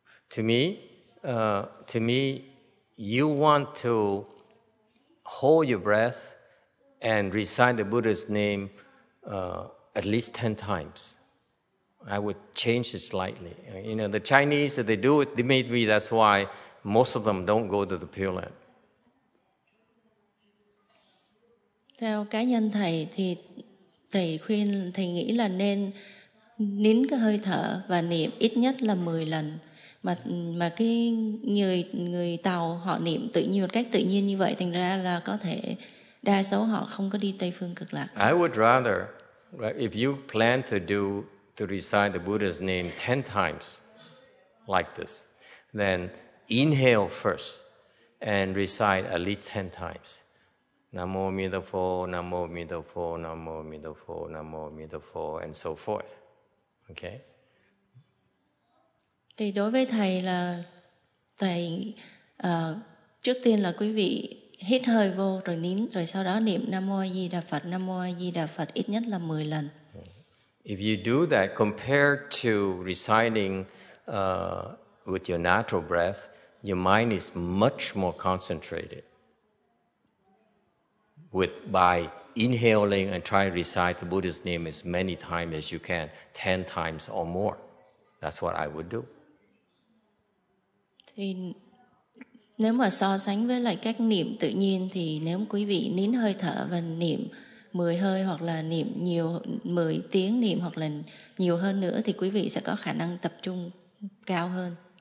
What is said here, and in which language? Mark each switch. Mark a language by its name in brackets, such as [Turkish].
[English] To me, you want to hold your breath and recite the Buddha's name at least 10 times. I would change it slightly. You know, the Chinese, they do it, they made me, that's why most of them don't go to the Pure Land. [Vietnamese] Theo cá nhân thầy thì thầy khuyên, thầy nghĩ là nên nín cái hơi thở và niệm ít nhất là 10 lần. Mà cái người Tàu họ niệm tự nhiên, một cách tự nhiên như vậy, thành ra là có thể đa số họ không có đi Tây Phương Cực Lạc. [English] I would rather, if you plan to do to recite the Buddha's name 10 times like this, then inhale first and recite at least 10 times. Namo Amitabha, Namo Amitabha, Namo Amitabha, Namo Amitabha, and so forth. Okay? [Vietnamese] Thì đối với thầy là thầy trước tiên là quý vị hít hơi vô rồi nín rồi sau đó niệm Namo A Di Đà Phật, Namo A Di Đà Phật ít nhất là 10 lần. [English] If you do that compared to reciting with your natural breath, your mind is much more concentrated by inhaling and trying to recite the Buddha's name as many times as you can, 10 times or more. That's what I would do. [Vietnamese] Thì nếu mà so sánh với lại các niệm tự nhiên thì nếu quý vị nín hơi thở và niệm 10 hơi hoặc là niệm nhiều 10 tiếng niệm hoặc là nhiều hơn nữa thì quý vị sẽ có khả năng tập trung cao hơn.